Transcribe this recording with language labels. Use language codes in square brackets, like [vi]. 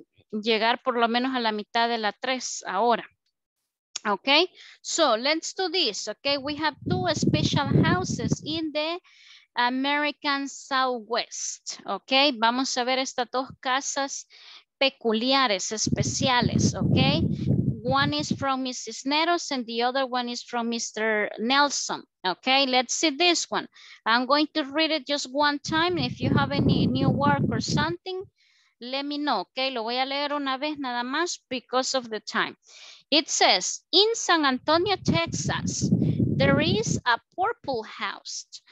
[es] llegar por lo menos a la mitad de la tres ahora. [en] Okay, so let's do this. Okay, we have two special houses in the American Southwest. [es] Okay, vamos a ver estas dos casas peculiares, especiales. [en] Okay, one is from Mrs. Cisneros and the other one is from Mr. Nelson. Okay, let's see this one. I'm going to read it just one time. If you have any new work or something, let me know, okay? [es] Lo voy a leer una vez nada más [en] because of the time. It says, in San Antonio, Texas, there is a purple house.